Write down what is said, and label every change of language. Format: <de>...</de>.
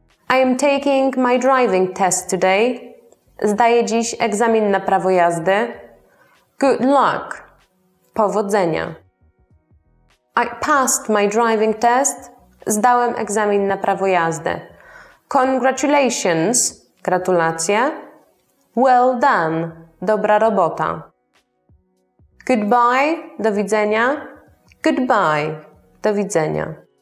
<en>I am taking my driving test today.</en> <pl>Zdaję dziś egzamin na prawo jazdy.</pl> <en>Good luck.</en> <pl>Powodzenia.</pl> <en>I passed my driving test.</en> <pl>Zdałem egzamin na prawo jazdy.</pl> <en>Congratulations.</en> <pl>Gratulacje.</pl> <en>Well done.</en> <pl>Dobra robota.</pl> <en>Goodbye.</en> <pl>Do widzenia.</pl> <en>Goodbye.</en> <pl>Do widzenia.</pl>